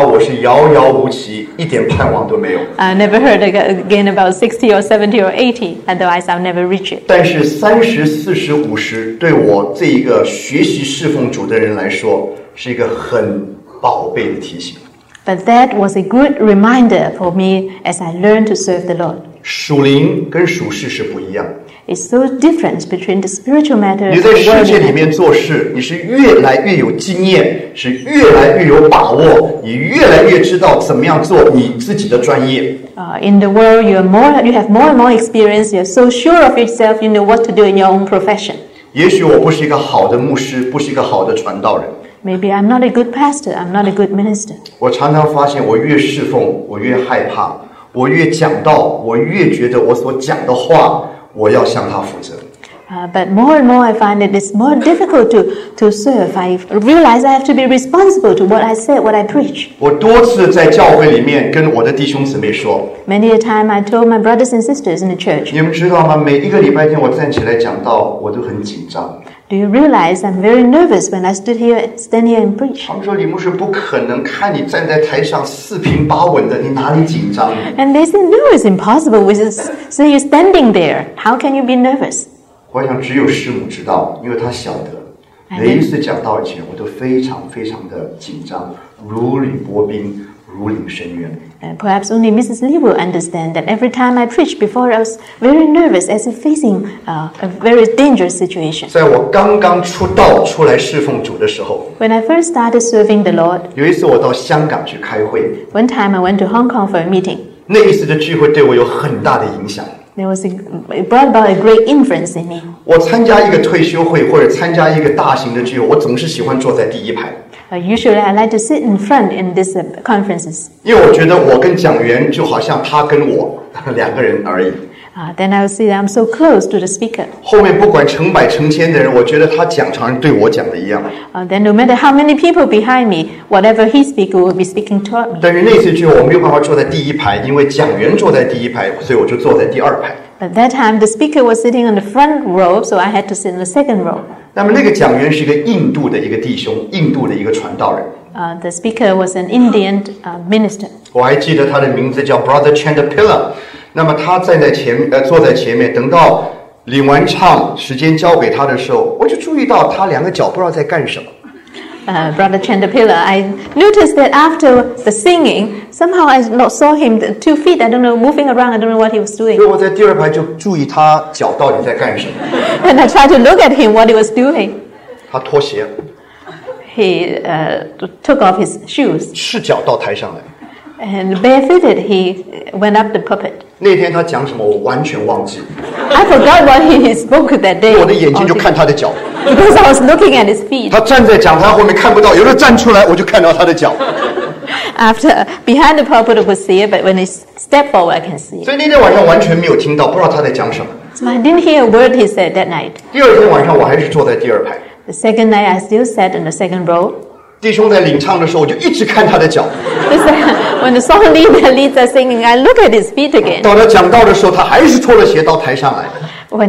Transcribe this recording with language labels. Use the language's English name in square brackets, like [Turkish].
[Chinese] 就再没有听到或者60或者70或者80、90，那我是遥遥无期，一点盼望都没有。 [English] I never heard again about 60 or 70 or 80. Otherwise, I'll never reach it. [Chinese] 但是30、40、50，对我这一个学习侍奉主的人来说，是一个很宝贝的提醒。 [English] But that was a good reminder for me as I learned to serve the Lord. [Chinese] 属灵跟属世是不一样。 [English] It's so different between the spiritual matters. [Chinese] 你在世界里面做事，你是越来越有经验，是越来越有把握，你越来越知道怎么样做你自己的专业。 [English] In the world, you have more experience. You're so sure of yourself. You know what to do in your own profession. [Chinese] 也许我不是一个好的牧师，不是一个好的传道人。 [English] Maybe I'm not a good pastor. I'm not a good minister. [Chinese] 我常常发现，我越侍奉，我越害怕。我越讲道，我越觉得我所讲的话，我要向他负责。 [English] But more and more I find that it's more difficult to serve. I realize I have to be responsible to what I say, what I preach. [Chinese] 我多次在教会里面跟我的弟兄姊妹说, [English] Many a time I told my brothers and sisters in the church. [Chinese] 你们知道吗?每一个礼拜天我站起来讲道, 我都很紧张。 [English] Do you realize I'm very nervous when I stood here, stand here and preach? [Chinese] 他们说李牧师不可能看你站在台上四平八稳的, 你哪里紧张? [English] And they said, no, it's impossible. We just, so you're standing there. How can you be nervous? [Chinese] 我想只有师母知道, 因为她晓得, 每一次讲道前, 我都非常非常的紧张, 如履薄冰, 如临深渊。 [English] Perhaps only Mrs. Lee will understand that every time I preach before, I was very nervous as if facing a very dangerous situation. [Chinese] 在我刚刚出道, 出来侍奉主的时候, [English] when I first started serving the Lord, [Chinese] 有一次我到香港去开会, [English] one time I went to Hong Kong for a meeting. [Chinese] 那一次的聚会对我有很大的影响。 [English] It brought about a great influence in me. [Chinese] 我参加一个退休会或者参加一个大型的聚会, 我总是喜欢坐在第一排。 [English] Usually, I like to sit in front in these conferences. [Chinese] 因为我觉得我跟讲员就好像他跟我两个人而已。 [English] Then I will see that I'm so close to the speaker. [Chinese] 后面不管成百成千的人, 我觉得他讲常对我讲的一样。 [English] Then no matter how many people behind me, whatever he speaks will be speaking to me. [Chinese] 但是那次去我没有办法坐在第一排, 因为讲员坐在第一排, 所以我就坐在第二排。 [English] But that time, the speaker was sitting on the front row, so I had to sit in the second row. [Chinese] 那么那个讲员是一个印度的一个弟兄, 印度的一个传道人。 [English] The speaker was an Indian minister. [Chinese] 我还记得他的名字叫 Brother Chandapilla。那么他站在前面，等到领完唱，时间交给他的时候，我就注意到他两个脚不知道在干什么。Brother [English] Chandapilla, I noticed that after the singing, somehow I saw him the two feet. I don't know moving around. I don't know what he was doing. [Chinese] 所以我在第二排就注意他脚到底在干什么。 [English] And I tried to look at him what he was doing. [Chinese] 他脱鞋。 [English] He took off his shoes. [Chinese] 赤脚到台上来。 [English] And barefooted, he went up the pulpit. [Chinese] 那天他讲什么我完全忘记。 [English] I forgot what he spoke that day. [Chinese] 我的眼睛就看他的脚。 [English] Because I was looking at his feet. [Chinese] 他站在讲台后面看不到, 有时候站出来, 我就看到他的脚。 [English] After, behind the pulpit was there, but when he stepped forward, I can see. [Chinese] 所以那天晚上完全没有听到, 不知道他在讲什么。 [English] So I didn't hear a word he said that night. [Chinese] 第二天晚上我还是坐在第二排。 [English] The second night, I still sat in the second row. [Chinese] 弟兄在领唱的时候，我就一直看他的脚。 [English] When the song leader leads us singing, I look at his feet again. [Chinese] 到他讲道的时候，他还是脱了鞋到台上来。 [English] When